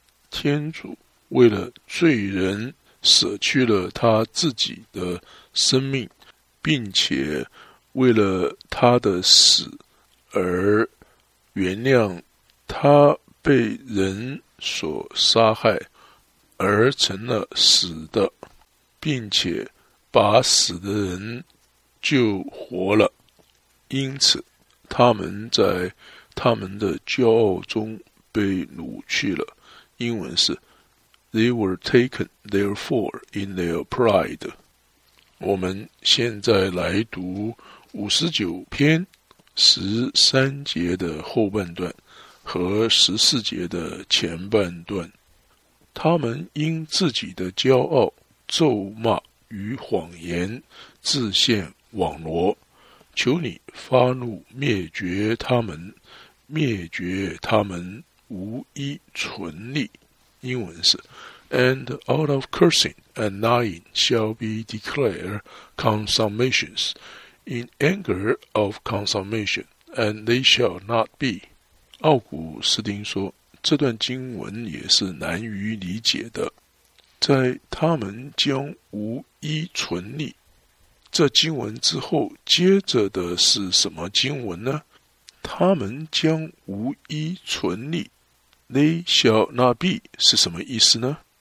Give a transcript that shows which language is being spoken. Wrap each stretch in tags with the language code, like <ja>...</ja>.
<zh>天主为了罪人舍去了他自己的生命，并且为了他的死而原谅他被人所杀害而成了死的，并且把死的人救活了，因此他们在他们的骄傲中被掳去了。英文是</zh> <en>They were taken therefore in their pride。</en> <zh>我们现在来读59篇13节的后半段和14节的前半段。他们因自己的骄傲、咒骂与谎言自陷网罗，求你发怒灭绝他们，灭绝他们无一存立。英文是</zh> <en>And out of cursing and gnawing shall be declared consummations in anger of consummation, and they shall not be。</en> <zh>奥古斯丁说，这段经文也是难于理解的，在他们将无一存立这经文之后，接着的是什么经文呢？他们将无一存立</zh> <en>They shall not be</en> <zh>是什么意思呢？</zh>